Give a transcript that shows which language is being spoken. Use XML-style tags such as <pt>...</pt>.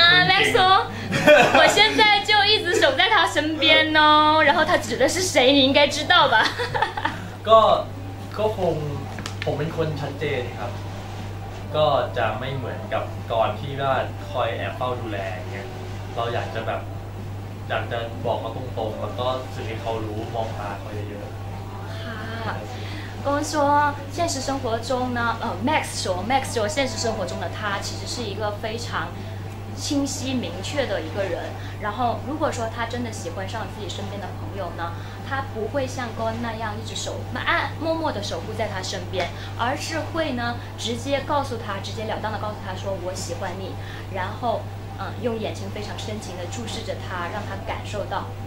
<zh>Max 说：“我现在就一直守在他身边哦，然后他指的是谁，你应该知道吧？”</zh> <th>ก็ผมเป็นคนชัดเจนครับก็จะไม่เหมือนกับก่อนที่ว่าคอยแอบเฝ้าดูแลเงี้ยเราอยากจะแบบอยากจะบอกเขาตรงๆแล้วก็สื่อให้เขารู้มองตาเขาเยอะๆ</th> <zh>ค่ะก็说现实生活中呢，Max 说现实生活中的他其实是一个非常。清晰明确的一个人，然后如果说他真的喜欢上自己身边的朋友呢，他不会像高恩那样一直默默的守护在他身边，而是会呢直接告诉他，直截了当的告诉他说我喜欢你，然后用眼睛非常深情的注视着他，让他感受到。</zh>